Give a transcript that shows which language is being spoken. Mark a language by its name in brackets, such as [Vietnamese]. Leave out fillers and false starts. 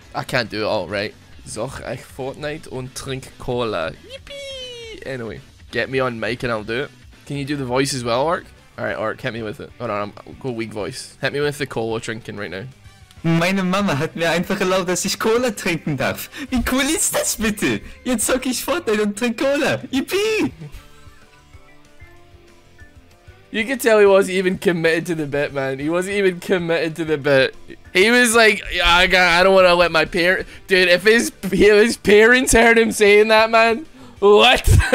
[English] I can't do it all, right? [German] Soch ich Fortnite und trink Cola. Yippee! [English] Anyway, get me on mic and I'll do it. Can you do the voice as well, Ark? Alright, Ark, hit me with it. Hold on, go weak voice. Hit me with the cola drinking right now. [German] Meine Mama hat mir einfach erlaubt, dass ich Cola trinken darf. Wie cool ist das bitte? Jetzt zock ich Fortnite und trink Cola. Yippee! [English] You could tell he wasn't even committed to the bit, man. He wasn't even committed to the bit. He was like, I don't want to let my parents... Dude, if his parents heard him saying that, man, what?